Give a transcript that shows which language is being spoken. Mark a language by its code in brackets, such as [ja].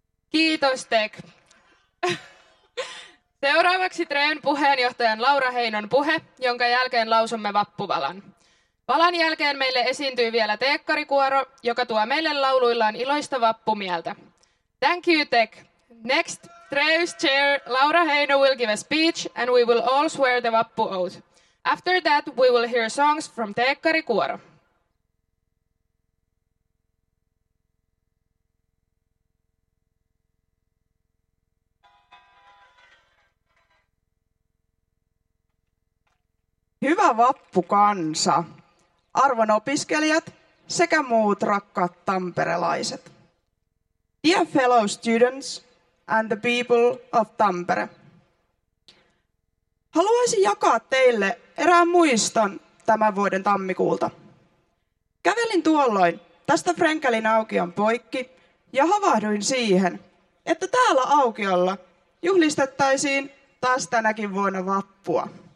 [fi] Kiitos Tek. Seuraavaksi Treyn puheenjohtajan Laura Heinon puhe, jonka jälkeen lausumme vappuvalan. Valan jälkeen meille esiintyy vielä teekkarikuoro, joka tuo meille lauluillaan iloista vappumieltä. [en] Thank you, Tech. Next, Treyn's chair, Laura Heino, will give a speech and we will all swear the vappu oath. After that, we will hear songs from teekkarikuoro. [fi] Hyvä vappukansa, arvon opiskelijat sekä muut rakkaat tamperelaiset. [en] Dear fellow students and the people of Tampere. [fi] Haluaisin jakaa teille erään muiston tämän vuoden tammikuulta. Kävelin tuolloin tästä Frenkelin aukion poikki ja havahduin siihen, että täällä aukiolla juhlistettaisiin taas tänäkin vuonna vappua.